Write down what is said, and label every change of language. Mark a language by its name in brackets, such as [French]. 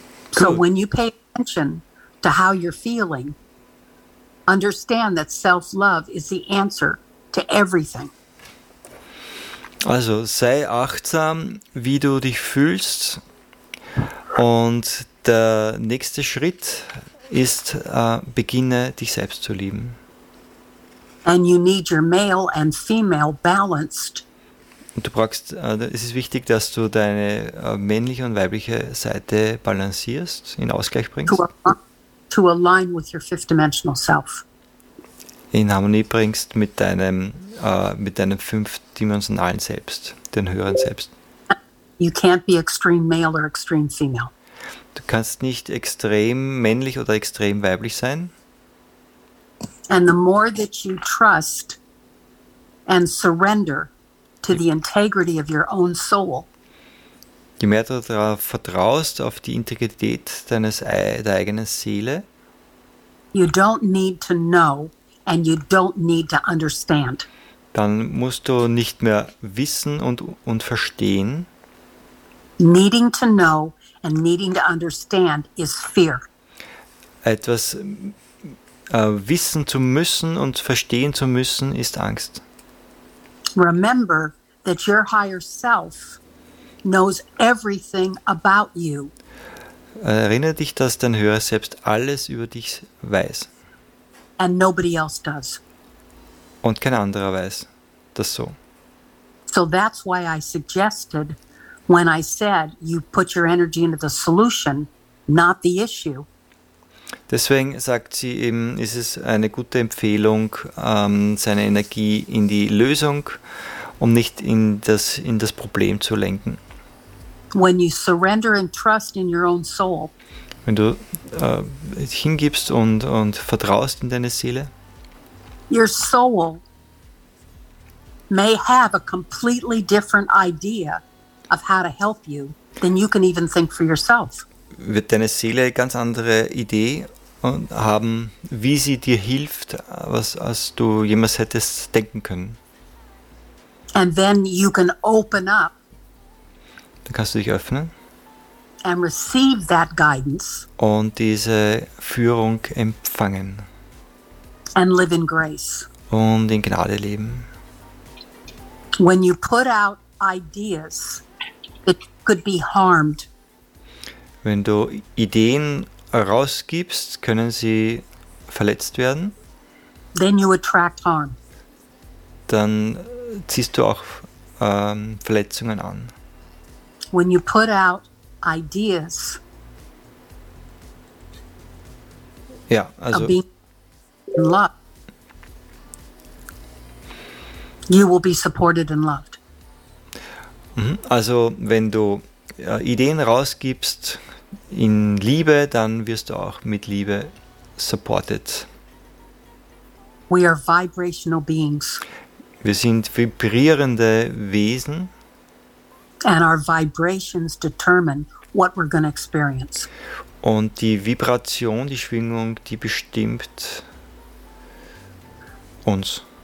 [English] So when you pay attention to how you're feeling, understand that self-love is the answer to everything. [German] Also sei achtsam, wie du dich fühlst. Und der nächste Schritt ist, beginne dich selbst zu lieben. [English] And you need your male and female balanced. [German] Und du brauchst, es ist wichtig, dass du deine männliche und weibliche Seite balancierst, in Ausgleich bringst. [English] To align with your fifth dimensional self. [German] In Harmonie bringst mit deinem fünfdimensionalen Selbst, den höheren Selbst. [English] You can't be extreme male or extreme female. [German] Du kannst nicht extrem männlich oder extrem weiblich sein. [English] And the more that you trust and surrender to the integrity of your own soul. [German] Je mehr du darauf vertraust, auf die Integrität deiner eigenen Seele. [English] You don't need to know and you don't need to understand. [German] Dann musst du nicht mehr wissen und verstehen. [English] Needing to know and needing to understand is fear. [German] Etwas wissen zu müssen und verstehen zu müssen ist Angst. [English] Remember that your higher self knows everything about you. [German] Erinnere dich, dass dein höheres Selbst alles über dich weiß. [English] And nobody else does. [German] Und kein anderer weiß das so. [English] So that's why I suggested, when I said you put your energy into the solution, not the issue. [German] Deswegen sagt sie eben, ist es eine gute Empfehlung, seine Energie in die Lösung, um nicht in das Problem zu lenken. [English] When you surrender and trust in your own soul. [German] Wenn du hingibst und vertraust in deine Seele. [English] Your soul may have a completely different idea of how to help you than you can even think for yourself. [German] Wird deine Seele ganz andere Idee haben, wie sie dir hilft, als du jemals hättest denken können. [English] And then you can open up. [German] Dann kannst du dich öffnen. [English] And receive that guidance. [German] Und diese Führung empfangen. [English] And live in grace. [German] Und in Gnade leben. [English] When you put out ideas that could be harmed. [German] Wenn du Ideen rausgibst, können sie verletzt werden. [English] Then you attract harm. [German] Dann ziehst du auch Verletzungen an. [English] When you put out ideas, [German] ja, also [English] of being in love, you will be supported and loved. [German] Also wenn du Ideen rausgibst in Liebe, dann wirst du auch mit Liebe supported. [English] We are vibrational beings. [German] Wir sind vibrierende Wesen. [English] And our vibrations determine what we're going to experience. [German] Und die Vibration, die Schwingung, die bestimmt uns.